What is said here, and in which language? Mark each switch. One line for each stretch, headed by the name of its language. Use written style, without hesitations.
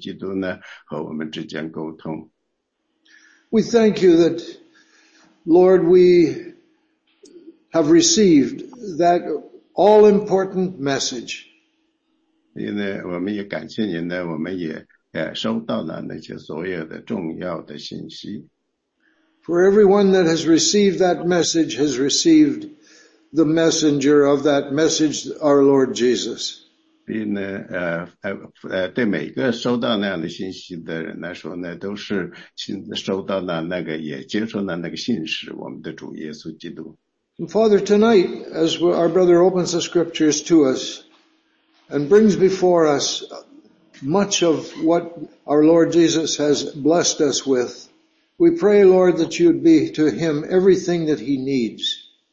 Chinese: 我们感谢您呢，就通过我们的救主，我们的主耶稣基督呢，和我们之间沟通。
English: We thank you that, Lord, we have received that all-important message.
Chinese: 因为我们也感谢您呢，我们也收到了那些所有的重要的信息。
English: For everyone that has received that message has received the messenger of that message, our Lord Jesus.
Chinese: 对每个收到那样的信息的人来说呢，都是亲自收到了那个，也接受了那个信使，我们的主耶稣基督。
English: Father, tonight, as our brother opens the scriptures to us and brings before us much of what our Lord Jesus has blessed us with, we pray, Lord, that you'd be to him everything that he needs.